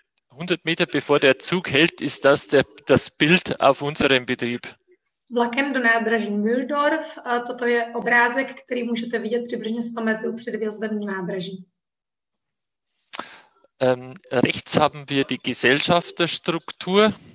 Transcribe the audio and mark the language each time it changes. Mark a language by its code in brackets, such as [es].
[de] 100 Meter bevor der Zug hält, ist das das Bild auf unserem Betrieb. [cs] Vlakem do nádraží Mühldorf. Toto je obrázek, který můžete vidět přibližně 100 metrů před vjezdem do nádraží. [de] Rechts haben wir die Gesellschafterstruktur.